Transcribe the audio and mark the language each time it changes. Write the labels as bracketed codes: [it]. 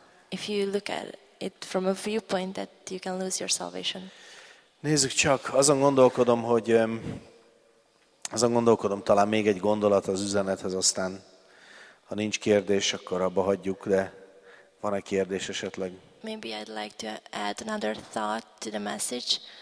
[en] If you look at it from a viewpoint that you can lose your salvation. [hu] Nézzük csak, azon gondolkodom, talán még egy gondolat az üzenethez, aztán ha nincs kérdés, akkor abba hagyjuk, de van egy kérdés esetleg. [en] Maybe I'd like to add another thought to the message.